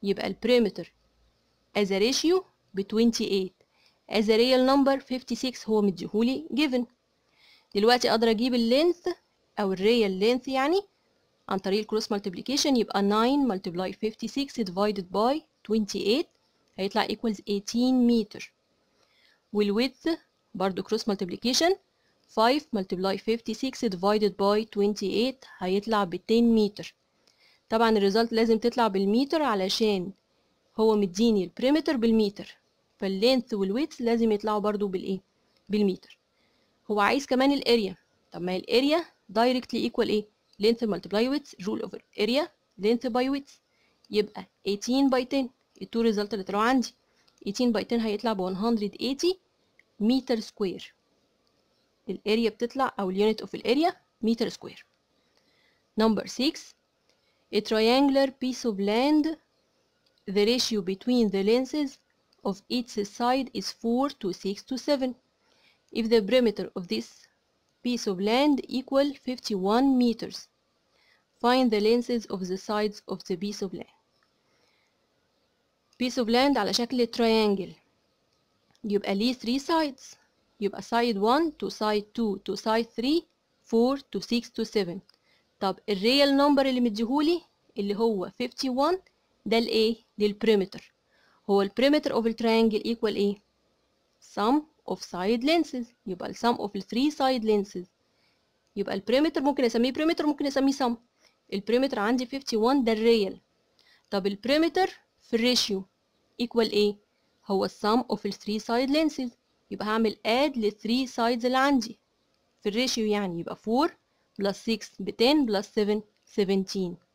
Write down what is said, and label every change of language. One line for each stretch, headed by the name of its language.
Arabic: يبقى البريمتر
English: as a ratio
Arabic: ب 28
English: as a real number
Arabic: 56 هو مديهولي given. دلوقتي اقدر اجيب اللينث او الريال لينث يعني عن طريق الكروس multiplication، يبقى 9
English: multiply 56 divided by 28
Arabic: هيطلع
English: equals 18 meter.
Arabic: والويدث برضو كروس multiplication 5
English: multiply 56 divided by 28
Arabic: هيطلع ب 10 متر. طبعا الريزلت لازم تطلع بالمتر علشان هو مديني البريمتر بالمتر، فاللينث والويدث لازم يطلعوا برضو بالايه؟ بالمتر. هو عايز كمان الاريا، طب ما الاريا directly equal ايه؟
English: length multiply width rule over area length by width،
Arabic: يبقى 18 by 10 التو ريزلت اللي طلعوا عندي 18 by 10 هيطلع ب 180 متر سكوير. الاريا بتطلع او اليونت اوف الاريا متر سكوير.
English: Number 6، a triangular piece of land the ratio between the lengths of its side is 4 to 6 to 7 if the perimeter of this piece of land equal 51 meters. find the lengths of the sides of the piece of land. piece of land
Arabic: على شكل تريانجل، يبقى ليه 3 sides، يبقى side 1 to side 2 to side 3 4 to 6 to 7. طب الريال نمبر اللي مديهولي اللي هو 51 ده الايه؟ للبريمتر. هو البريمتر of التريانجل equal ايه؟
English: sum of side lengths،
Arabic: يبقى
English: sum of 3 side lengths.
Arabic: يبقى البريمتر ممكن اسميه بريمتر ممكن اسميه sum. البريمتر عندي 51 ده الريال. طب البريمتر في الريشيو equal ايه؟ هو
English: sum of 3 side lengths،
Arabic: يبقى هعمل add ل 3 sides اللي عندي في الريشيو، يعني يبقى 4 plus 6 ب 10 plus 7 17.